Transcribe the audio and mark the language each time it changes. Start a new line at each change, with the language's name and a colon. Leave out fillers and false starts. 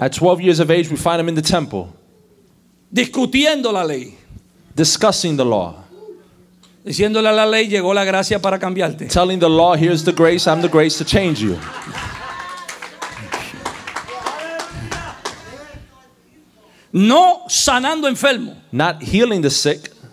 English: At 12 years of age, we find him in the temple.
Spanish: Discutiendo la ley.
English: Discussing the law.
Spanish: Diciéndole a la ley llegó la gracia para cambiarte.
English: Telling the law, here's the grace, I'm the grace to change you.
Spanish: No sanando enfermo.
English: Not healing the sick.